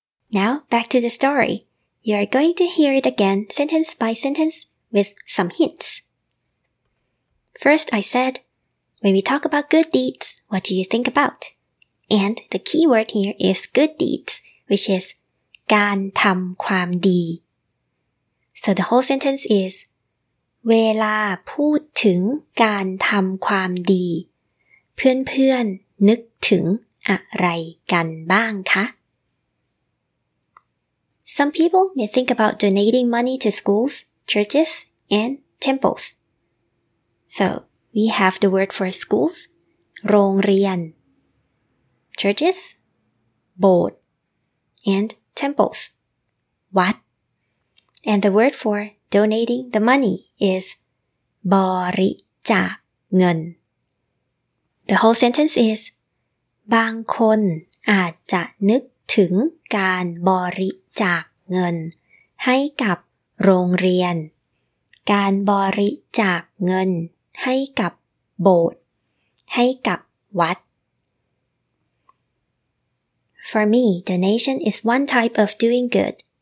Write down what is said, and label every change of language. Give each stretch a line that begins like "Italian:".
English: Now, back to the story. You are going to hear it again, sentence by sentence, with some hints. First, I said, when we talk about good deeds, what do you think about? And the key word here is good deeds, which is การทำความดี. So the whole sentence is,
Thai: เวลาพูดถึงการทำความดี, เพื่อนๆ นึกถึงอะไรกันบ้างคะ
English: Some people may think about donating money to schools, churches, and temples. So, we have the word for schools, โรงเรียน, churches, Boat, and temples, Wat. And the word for donating the money is บริจาคเงิน.
Thai: The whole sentence is, บางคนอาจจะนึกถึงการบริจาคเงินให้กับโรงเรียนการบริจาคเงินให้กับโบสถ์ให้กับวัด
English: For me, donation is one type of doing good.